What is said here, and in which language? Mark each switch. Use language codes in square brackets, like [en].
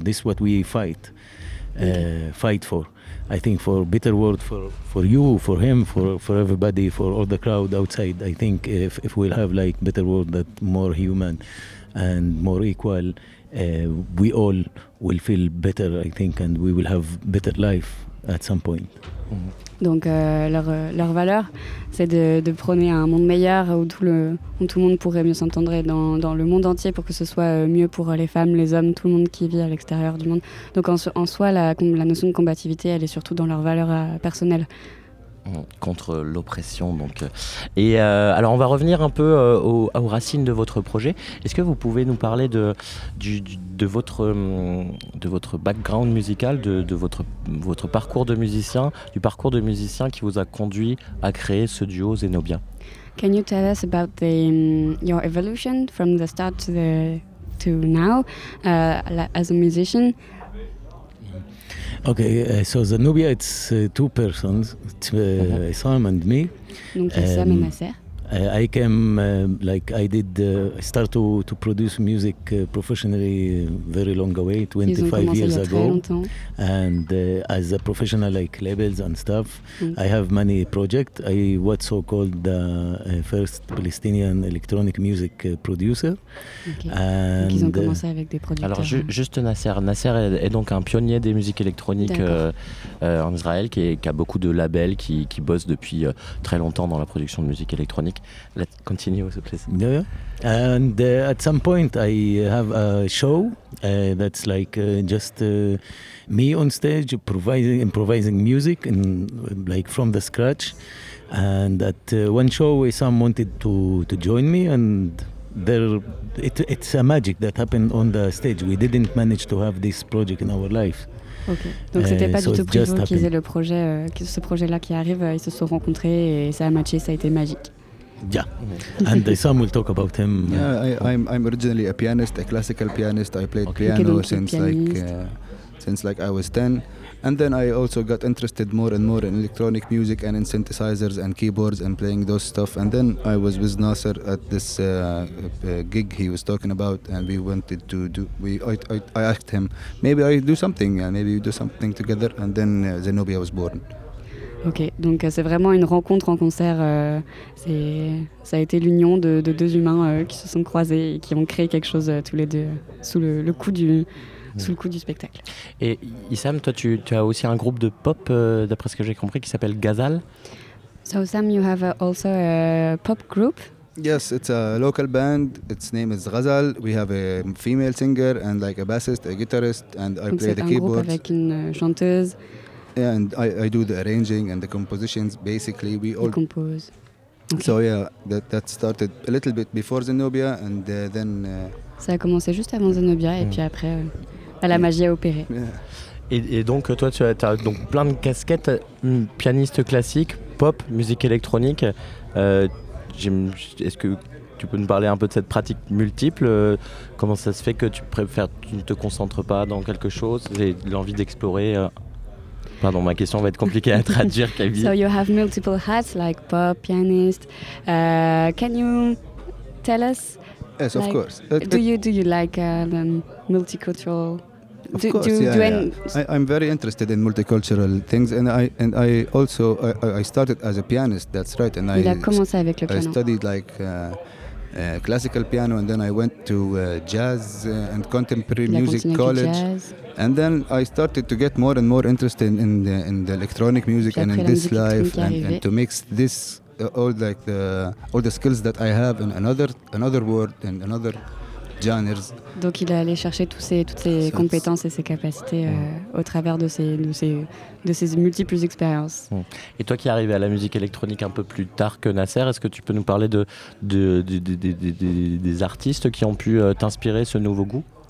[en] This is what we fight for. I think for better world for you, for him, for everybody, for all the crowd outside. I think if we'll have like better world that more human and more equal, we all will feel better. I think, and we will have better life at some point. Mm-hmm. [fr] Donc leur valeur, c'est de prôner un monde meilleur où tout le monde pourrait mieux s'entendre dans le monde entier pour que ce soit mieux pour les femmes, les hommes, tout le monde qui vit à l'extérieur du monde. Donc en soi, la notion de combativité, elle est surtout dans leur valeur personnelle. Contre l'oppression donc. Et alors on va revenir un peu aux racines de votre projet. Est-ce que vous pouvez nous parler de votre background musical, de votre parcours de musicien, du parcours de musicien qui vous a conduit à créer ce duo Zenobia? [en] Can you tell us about your evolution from the start to now as a musician? Okay, so Zenobia, it's two persons, Issam and me. Issam and Nasser. I came, I started to produce music professionally very long away, 25 years ago. And as a professional, like labels and stuff, I have many projects. I was so-called the first Palestinian electronic music producer. Okay. And [fr] donc ils ont commencé avec des producteurs. Alors juste Nasser. Nasser est donc un pionnier des musiques électroniques en Israël, qui a beaucoup de labels, qui bosse depuis très longtemps dans la production de musique électronique. [en] Let's continue, so please. Yeah, yeah. And at some point, I have a show that's like just me on stage improvising music and like from the scratch. And at one show, some wanted to join me, and there, it's a magic that happened on the stage. We didn't manage to have this project in our life. [fr] Ok, donc c'était pas du tout prévu qu'ils aient le projet, ce projet-là qui arrive. Ils se sont rencontrés et ça a matché, ça a été magique. [en] Yeah, and Sam will talk about him. Yeah, I'm originally a pianist, a classical pianist. I played piano since I was 10. And then I also got interested more and more in electronic music and in synthesizers and keyboards and playing those stuff. And then I was with Nasser at this gig he was talking about, and we wanted to do. I asked him, maybe I do something, and maybe we do something together. And then Zenobia was born. [fr] Ok, donc c'est vraiment une rencontre en concert. Ça a été l'union de deux humains qui se sont croisés et qui ont créé quelque chose tous les deux sous le coup du. Sous le coup du spectacle. Et Issam, toi, tu as aussi un groupe de pop, d'après ce que j'ai compris, qui s'appelle Ghazal. [en] So, Sam, you have also a pop group. Yes, it's a local band. Its name is Ghazal. We have a female singer and like a bassist, a guitarist, and I [fr] Donc [en] play the keyboards. [fr] Donc c'est un groupe avec une chanteuse. [en] And I do the arranging and the compositions. Basically, we all compose. Okay. So yeah, that started a little bit before Zenobia, and then. [fr] Ça a commencé juste avant Zenobia, et puis après, la magie a opéré. Yeah. Et donc toi, tu as donc plein de casquettes, pianiste classique, pop, musique électronique. Est-ce que tu peux nous parler un peu de cette pratique multiple? Comment ça se fait que tu ne te concentres pas dans quelque chose et l'envie d'explorer? Pardon, ma question va être compliquée à traduire, Kaby. [en] So you have multiple hats like pop, pianist. Can you tell us? Yes, like, of course. Do you like multicultural? I'm very interested in multicultural things, and I also started as a pianist. That's right. And [fr] il a commencé avec le piano. [en] I studied like classical piano, and then I went to jazz and contemporary [fr] il [en] music college. Jazz. And then I started to get more and more interested in the electronic music [fr] puis [en] and in this life and to mix this. All the skills that I have in another world and another genres. [fr] Donc il est allé chercher toutes ses compétences et ses capacités au travers de ses multiples expériences. Et toi qui es arrivé à la musique électronique un peu plus tard que Nasser, est-ce que tu peux nous parler des artistes qui ont pu t'inspirer ce nouveau goût?